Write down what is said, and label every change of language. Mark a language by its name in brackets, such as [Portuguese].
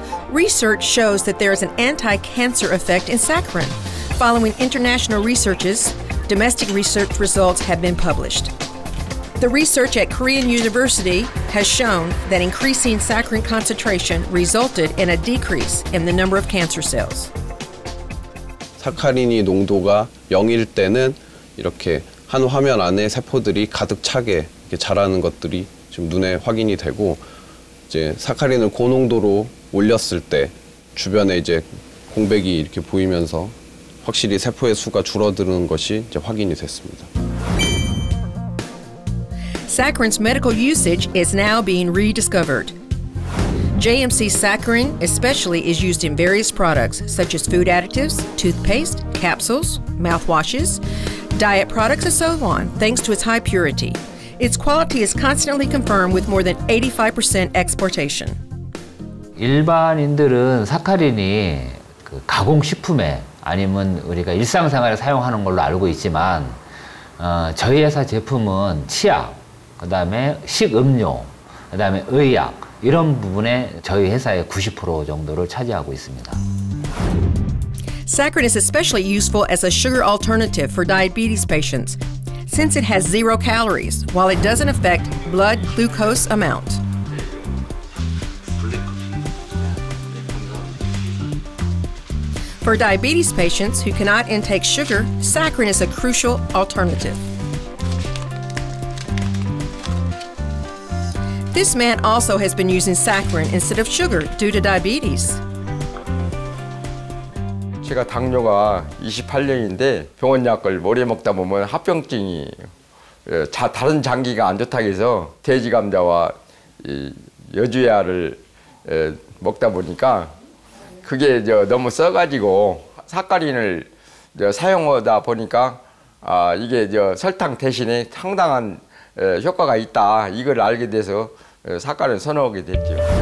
[English] Research shows that there is an anti-cancer effect in saccharin. Following international researches, domestic research results have been published. The research at Korean University has shown that increasing saccharin concentration resulted in a decrease in the number of cancer cells. [Korean] 사카린이 농도가 0일 때는 이렇게 한 화면 안에 세포들이 가득 차게 이렇게 자라는 것들이 지금 눈에 확인이 되고, 이제 사카린을 고농도로 올렸을 때 주변에 이제 공백이 이렇게 보이면서 확실히 세포의 수가 줄어드는 것이 이제 확인이 됐습니다. [English] Saccharin's medical usage is now being rediscovered. JMC saccharin especially is used in various products such as food additives, toothpaste, capsules, mouthwashes, diet products and so on, thanks to its high purity. Its quality is constantly confirmed with more than 85% exportation. [Korean] 일반인들은 사카린이 그 가공식품에 아니면 우리가 일상생활에 사용하는 걸로 알고 있지만, 저희 회사 제품은 치약, 그 다음에 식음료, 그 다음에 의약, 이런 부분에 저희 회사의 90% 정도를 차지하고 있습니다. [English] Saccharin is especially useful as a sugar alternative for diabetes patients, since it has zero calories, while it doesn't affect blood glucose amount. For diabetes patients who cannot intake sugar, saccharin is a crucial alternative. This man also has been using saccharin instead of sugar due to diabetes. [Korean] 제가 당뇨가 28년인데 병원약을 오래 먹다 보면 합병증이 다른 장기가 안 좋다고 해서 돼지 감자와 이 여주야를 먹다 보니까 그게 저 너무 써가지고 사카린을 사용하다 보니까 아 이게 저 설탕 대신에 상당한 효과가 있다 이걸 알게 돼서 사카린을 선호하게 됐죠.